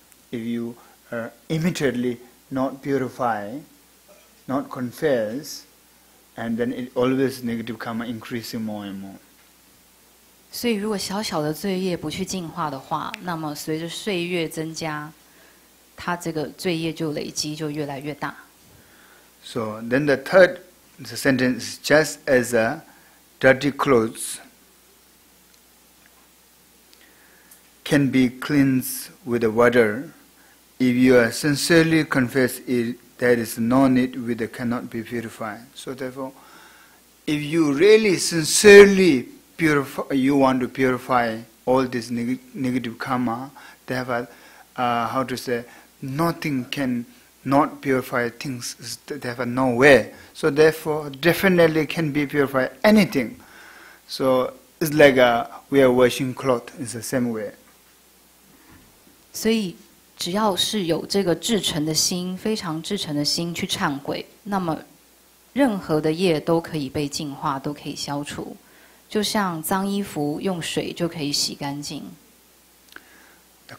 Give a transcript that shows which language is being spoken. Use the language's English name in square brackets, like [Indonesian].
[English] If you immediately not purify, not confess, and then it always negative karma increasing more and more. [Chinese] 所以，如果小小的罪业不去净化的话，那么随着岁月增加，它这个罪业就累积就越来越大。 [English] So then the third sentence just as a Dirty clothes can be cleansed with the water. If you are sincerely confess it, there is no need with it cannot be purified. So therefore, If you really sincerely purify, you want to purify all this negative karma, therefore, how to say, nothing can not purify things, therefore, no way. So therefore, definitely can be purified anything. So it's like we are washing cloth, it's the same way. [Chinese] 所以只要是有这个至诚的心，非常至诚的心去忏悔，那么任何的业都可以被净化，都可以消除，就像脏衣服用水就可以洗干净。The